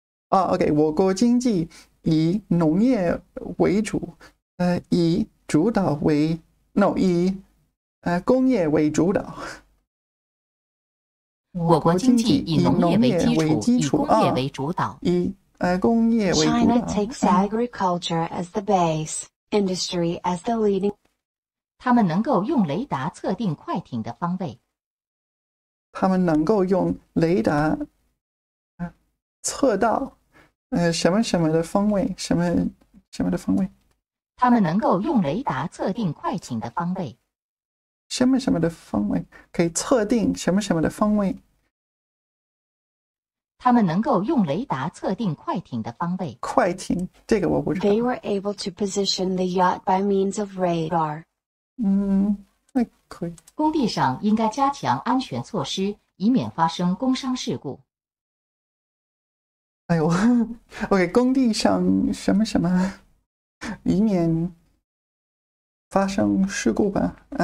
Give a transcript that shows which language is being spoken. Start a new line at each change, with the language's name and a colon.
Chinese: 啊 ，OK， 我国经济以农业为主，以主导为 ，no， 以。工业为主导。我国经济以农业为基础，以工业为主导。以工业为主导。
English: China takes agriculture as the base, industry as the leading.
Chinese: 他们能够用雷达测定快艇的方位。他们能够用雷达测到什么什么的方位，什么什么的方位。他们能够用雷达测定快艇的方位。什么什么的方位可以测定什么什么的方位。他们能够用雷达测定快艇的方位。快艇这个我不知道。
English: They were able to position the yacht by means of radar.
Chinese: 那可以。工地上应该加强安全措施，以免发生工伤事故。哎呦 ，OK， 工地上什么什么，以免发生事故吧。